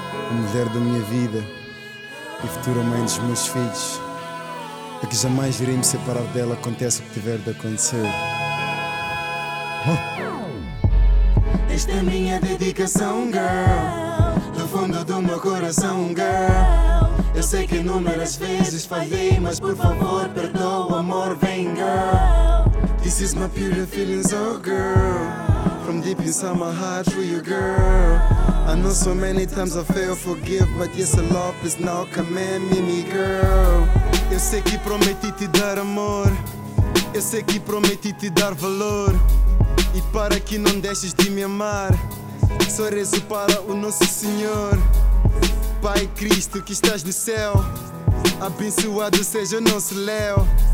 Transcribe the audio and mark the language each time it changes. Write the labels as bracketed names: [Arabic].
[Portuguese] A mulher da minha vida e futura mãe dos meus filhos, a que jamais irei me separar dela, aconteça o que tiver de acontecer. Esta é a minha dedicação, girl, do fundo do meu coração, girl. Eu sei que inúmeras vezes falhei, mas por favor, perdoa, amor, vem, girl. [English] This is my pure feelings, oh girl, from deep inside my heart for you, girl. I know so many times I fail, forgive, but yes, a love is now command me, girl. [Portuguese] Eu sei que prometi te dar amor, eu sei que prometi te dar valor, e para que não deixes de me amar, só rezo para o nosso Senhor. Pai Cristo que estás no céu, abençoado seja o nosso Léo.